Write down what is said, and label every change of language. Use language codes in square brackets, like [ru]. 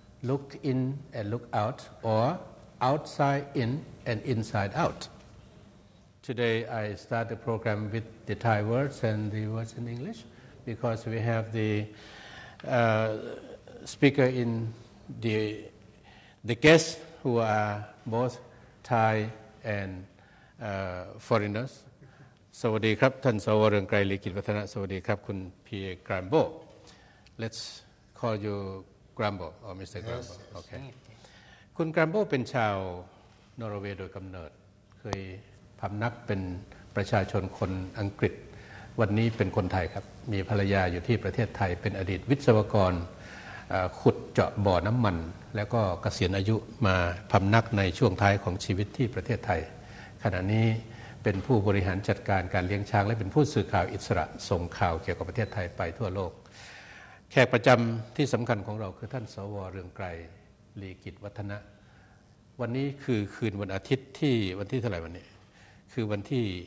[en] look in and look out or outside in and inside out Today I start the program with the Thai words and the words in English because we have the speaker in the guest who are both Thai and foreigners. [th] สวัสดีครับท่านสว.เรืองไกร ลิขิตวัฒนะสวัสดีครับคุณพี่ Granbo. [en] Let's call you Granbo or Mr. Yes, Granbo. Yes, okay. Yes, yes. [th] คุณ Granbo เป็นชาวนอร์เวย์โดยกำเนิดเคยพำนักเป็นประชาชนคนอังกฤษวันนี้เป็นคนไทยครับมีภรรยาอยู่ที่ประเทศไทยเป็นอดีตวิศวกร ขุดเจาะบ่อน้ำมันแล้วก็เกษียณอายุมาพำนักในช่วงท้ายของชีวิตที่ประเทศไทยขณะนี้เป็นผู้บริหารจัดการการเลี้ยงช้างและเป็นผู้สื่อข่าวอิสระส่งข่าวเกี่ยวกับประเทศไทยไปทั่วโลกแขกประจำที่สำคัญของเราคือท่านสว.เรืองไกร ลีกิจวัฒนะวันนี้คือคืนวันอาทิตย์ที่วันที่เท่าไหร่วันนี้คือวันที่